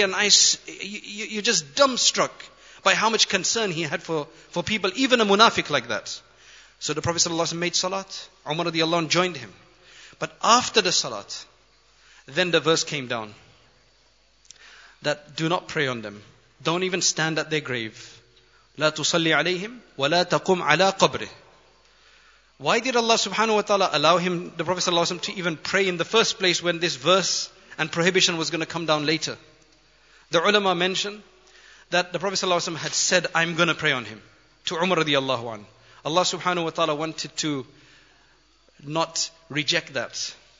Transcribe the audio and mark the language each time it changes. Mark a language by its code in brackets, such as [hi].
[en] And you're just dumbstruck by how much concern he had for people, even a munafiq like that. So the Prophet ﷺ made salat. Umar radiallahu anhu joined him. But after the salat, then the verse came down that do not pray on them. Don't even stand at their grave. [ar] لا تصلي عليهم ولا تقوم على قبره. [en] Why did Allah subhanahu wa ta'ala allow him, the Prophet sallallahu alaihi wasallam, to even pray in the first place when this verse and prohibition was going to come down later? The ulama mentioned that the Prophet sallallahu alaihi wasallam had said, I'm going to pray on him, to Umar radiallahu anhu. Allah subhanahu wa ta'ala wanted to not reject that.